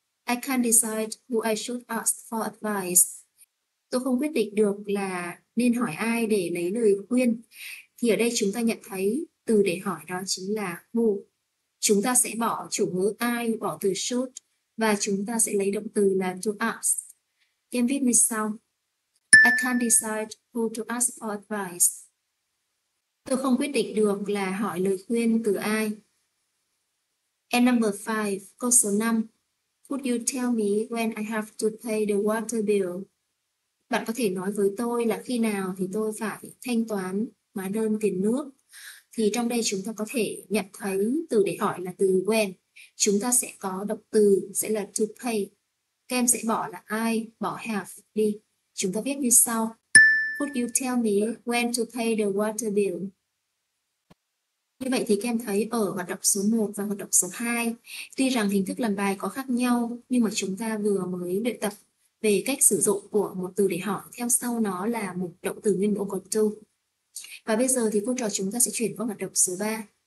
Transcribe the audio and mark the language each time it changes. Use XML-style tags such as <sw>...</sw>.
<en>I can't decide who I should ask for advice.</en> <vi>Tôi không quyết định được là nên hỏi ai để lấy lời khuyên. Thì ở đây chúng ta nhận thấy từ để hỏi đó chính là who. Chúng ta sẽ bỏ chủ ngữ I, bỏ từ should và chúng ta sẽ lấy động từ là to ask. Em viết như sau.</vi> <en>I can't decide who to ask for advice.</en> <vi>Tôi không quyết định được là hỏi lời khuyên từ ai.</vi> <en>And number 5,</en> <vi>câu số 5.</vi> <en>Could you tell me when I have to pay the water bill?</en> <vi>Bạn có thể nói với tôi là khi nào thì tôi phải thanh toán hóa đơn tiền nước. Thì trong đây chúng ta có thể nhận thấy từ để hỏi là từ when. Chúng ta sẽ có động từ sẽ là to pay. Các em sẽ bỏ là I, bỏ have đi. Chúng ta viết như sau.</vi> <en>Could you tell me when to pay the water bill?</en> <vi>Như vậy thì các em thấy ở hoạt động số 1 và hoạt động số 2, tuy rằng hình thức làm bài có khác nhau, nhưng mà chúng ta vừa mới luyện tập về cách sử dụng của một từ để hỏi theo sau nó là một động từ nguyên mẫu có to. Và bây giờ thì cô trò chúng ta sẽ chuyển qua hoạt động số 3.</vi>